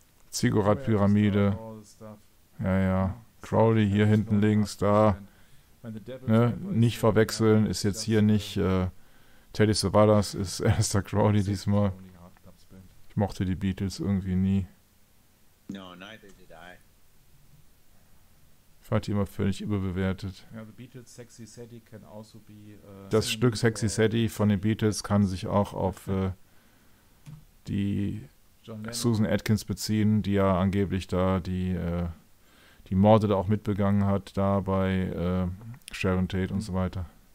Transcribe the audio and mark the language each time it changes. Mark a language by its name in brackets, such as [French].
[German] Ziggurat-Pyramide. Ja, ja. Crowley hier hinten links, da. Ne? Nicht verwechseln, ist jetzt hier nicht. Teddy Savalas ist Aleister Crowley diesmal. Mochte die Beatles irgendwie nie. [English] No, neither did I. [German] Fand die immer völlig überbewertet. [English] Yeah, the Beatles, Sexy Sadie can also be, [German] das Stück Sexy Sadie von den Beatles kann sich auch auf die Susan Atkins beziehen, die ja angeblich da die Morde da auch mitbegangen hat, da bei Sharon Tate und so weiter.